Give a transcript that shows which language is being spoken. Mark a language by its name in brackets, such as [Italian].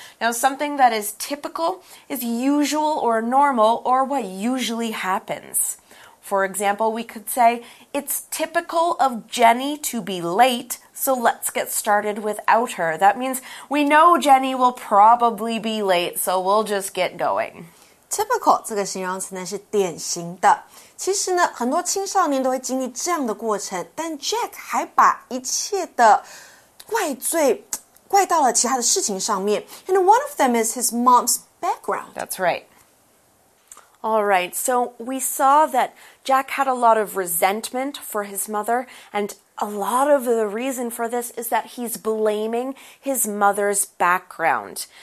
[English] Now, something that is typical is usual or normal or what usually happens. For example, we could say, it's typical of Jenny to be late, so let's get started without her. That means we know Jenny will probably be late, so we'll just get going. [Chinese] Typical 这个形容词呢是典型的。其实呢，很多青少年都会经历这样的过程，但 Jack 还把一切的怪到了其他的事情上面。 [English] And one of them is his mom's background. That's right. All right, so we saw that Jack had a lot of resentment for his mother, and a lot of the reason for this is that he's blaming his mother's background.